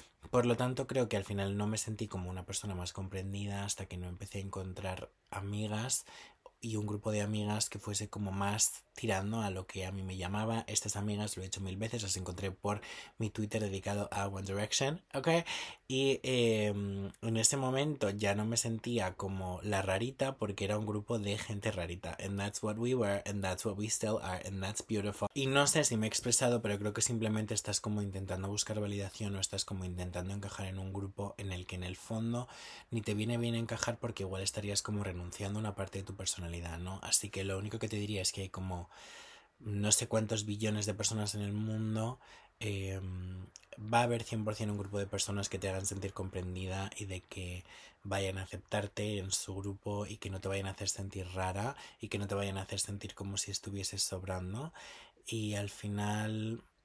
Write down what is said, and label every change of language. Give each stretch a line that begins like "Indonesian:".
Spanish: Por lo tanto, creo que al final no me sentí como una persona más comprendida hasta que no empecé a encontrar amigas y un grupo de amigas que fuese como más tirando a lo que a mí me llamaba. Estas amigas, lo he hecho mil veces, las encontré por mi Twitter dedicado a One Direction, ¿ok? Y en ese momento ya no me sentía como la rarita porque era un grupo de gente rarita.
English: And that's what we were, and that's what we still are, and that's beautiful.
Spanish: Y no sé si me he expresado, pero creo que simplemente estás como intentando buscar validación o estás como intentando encajar en un grupo en el que en el fondo ni te viene bien encajar porque igual estarías como renunciando a una parte de tu personalidad, ¿no? Así que lo único que te diría es que hay como no sé cuántos billones de personas en el mundo, va a haber 100% un grupo de personas que te hagan sentir comprendida y de que vayan a aceptarte en su grupo y que no te vayan a hacer sentir rara y que no te vayan a hacer sentir como si estuvieses sobrando. Y al final